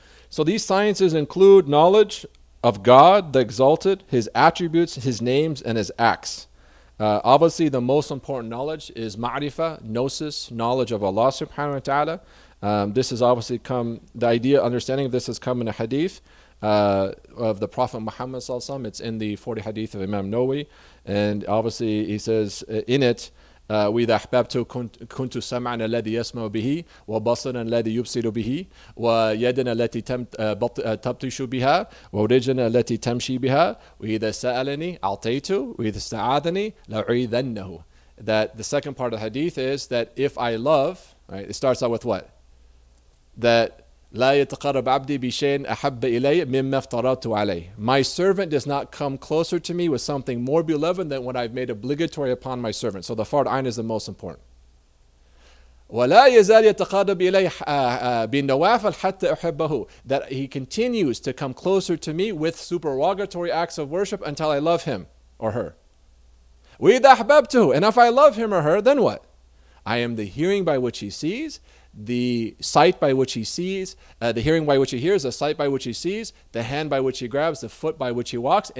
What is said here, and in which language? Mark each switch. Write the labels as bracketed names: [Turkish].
[English] So these sciences include knowledge of God, the Exalted, His attributes, His names, and His acts. Obviously, the most important knowledge is ma'rifah, gnosis, knowledge of Allah subhanahu wa ta'ala. This has obviously come, the idea, understanding of this has come in a hadith of the Prophet Muhammad sallallahu alaihi wasallam. It's in the 40 hadith of Imam Nawawi. And obviously, he says in it, [Arabic] وَإِذَا أَحْبَبْتُ كُنْتُ سَمْعًا الَّذِي يَسْمَعُ بِهِ وَبَصَرًا الَّذِي يُبْصِرُ بِهِ وَيَدًا الَّتِي تَبْطِشُ بِهَا وَرِجْلًا الَّتِي تَمْشِي بِهَا وَإِذَا سَأَلَنِي أَعْطَيْتُ وَإِذَا اسْتَعَاذَنِي لَأُعِيذَنَّهُ. [English] That the second part of the hadith is that if I love, right, it starts out with what? That [Arabic] لا يتقرب عبدي بشيء أحب إليه مما افترضت عليه. [English] My servant does not come closer to me with something more beloved than what I've made obligatory upon my servant. So the fard ayn is the most important. [Arabic] ولا يزال يتقرب إليه بالنوافل حتى أحبه. [English] That he continues to come closer to me with supererogatory acts of worship until I love him or her. [Arabic] وإذا أحببته. [English] And if I love him or her, then what? I am the hearing by which he sees, the sight by which he sees, the hearing by which he hears, the sight by which he sees, the hand by which he grabs, the foot by which he walks.